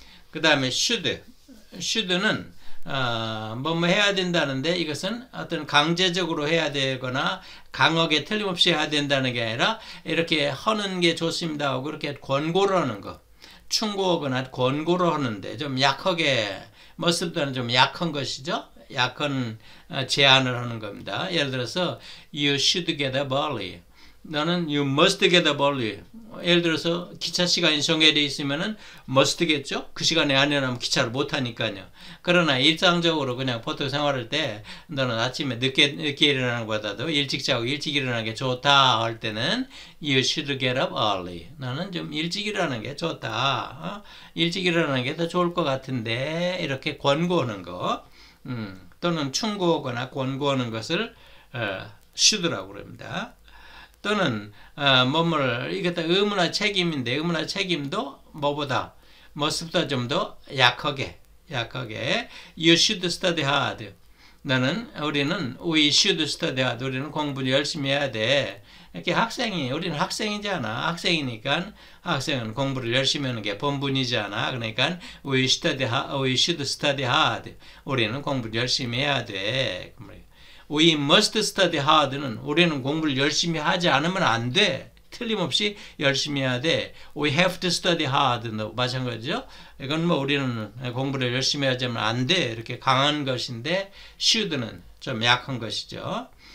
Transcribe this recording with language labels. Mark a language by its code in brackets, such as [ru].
[ko] 그 다음에 should는 뭐뭐 해야 된다는데 이것은 어떤 강제적으로 해야 되거나 강하게 틀림없이 해야 된다는 게 아니라 이렇게 하는 게 좋습니다 하고 그렇게 권고를 하는 거, 충고하거나 권고를 하는데 좀 약하게, 머슴들은 좀 약한 것이죠. 약한 제안을 하는 겁니다. 예를 들어서 [en] you should get up early. [ko] 너는 [en] you must get up early. [ko] 예를 들어서 기차 시간이 정해져 있으면은 must겠죠? 그 시간에 안 일어나면 기차를 못 타니까요. 그러나 일상적으로 그냥 보통 생활할 때 너는 아침에 늦게 일어나는 것보다도 일찍 자고 일찍 일어나는 게 좋다 할 때는 [en] you should get up early. [ko] 너는 좀 일찍 일어나는 게 좋다. 일찍 일어나는 게더 좋을 것 같은데 이렇게 권고하는 거, 또는 충고하거나 권고하는 것을 should라고 그럽니다. 또는 뭐뭐를 이게 다 의무나 책임인데 의무나 책임도 뭐보다 must보다 좀더 약하게 [en] you should study hard. [ko] 나는 우리는 [en] we should study hard. [ko] 우리는 공부 열심히 해야 돼. 이렇게 학생이 우리는 학생이잖아. 학생이니까 학생은 공부를 열심히 하는 게 본분이잖아. 그러니까 [en] we should study hard. [ko] 우리는 공부 열심히 해야 돼. [en] We must study hard [ko] 는 우리는 공부를 열심히 하지 않으면 안 돼. 틀림없이 열심히 해야 돼. [en] We have to study hard도 [ko] 마찬가지죠. 이건 뭐 우리는 공부를 열심히 하지 않으면 안 돼. 이렇게 강한 것인데 should는 좀 약한 것이죠.